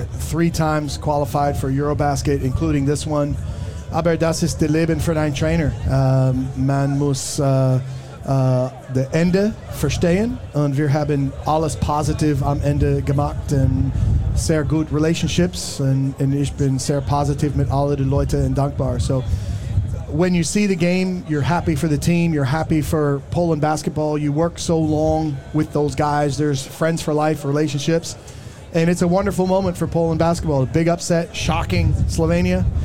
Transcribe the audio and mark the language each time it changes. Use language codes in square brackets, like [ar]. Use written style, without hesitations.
[en] Three times qualified for Eurobasket, including this one. [de] Aber das ist das Leben für einen Trainer. Man muss das Ende verstehen und wir haben alles positiv am Ende gemacht und sehr gute Relationships und ich bin sehr positiv mit all den Leuten und dankbar. [en] So, when you see the game, you're happy for the team, you're happy for Poland basketball, you work so long with those guys, there's friends for life, relationships. And it's a wonderful moment for Poland basketball. A big upset, shocking Slovenia.